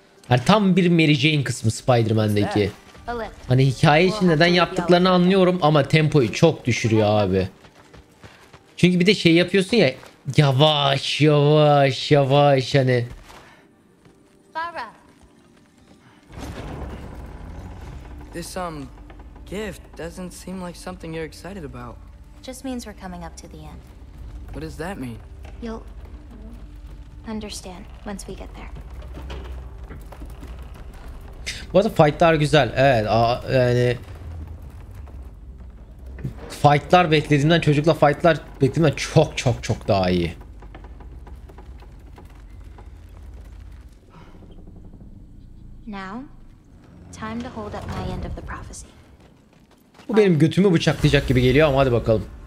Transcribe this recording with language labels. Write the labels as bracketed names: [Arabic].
[Turkish] Yani tam bir Mary Jane kısmı Spider-Man'deki. Hani hikaye için neden yaptıklarını anlıyorum ama tempoyu çok düşürüyor abi. Çünkü bir de şey yapıyorsun ya, yavaş yavaş yavaş hani. [English] This gift doesn't seem like something you're excited about. Just means we're coming up to the end. What does that mean? You'll understand once we get there. [Turkish] Bu arada fightlar güzel. Evet, yani fightlar beklediğimden, çocukla fightlar beklediğimden çok çok çok daha iyi. [English] Now, time to hold up my end of the prophecy. [Turkish] Bu benim götümü bıçaklayacak gibi geliyor ama hadi bakalım.